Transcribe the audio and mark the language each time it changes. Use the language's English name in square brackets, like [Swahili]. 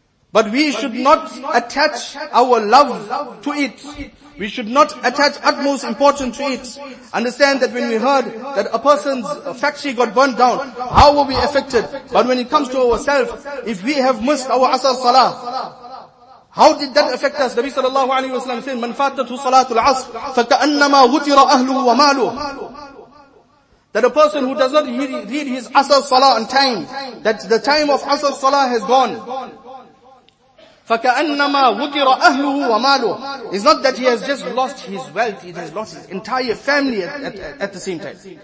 [English] But we should not attach our love to it. We should not attach utmost importance to it. Understand that when we heard that a person's factory got burnt down, how were we affected? But when it comes to ourselves, if we have missed our asr salah, how did that affect us? [Arabic] Nabi sallallahu alayhi wa sallam said, مَنْ فَاتَتْهُ صَلَاةُ الْعَصْرِ فَكَأَنَّمَا غُتِرَ أَهْلُهُ وَمَالُهُ. [English] That a person who does not read his asr salah on time, that the time of asr salah has gone. [Arabic] فَكَأَنَّمَا غُتِرَ أَهْلُهُ وَمَالُهُ. [English] It's not that he has just lost his wealth, he has lost his entire family at the same time.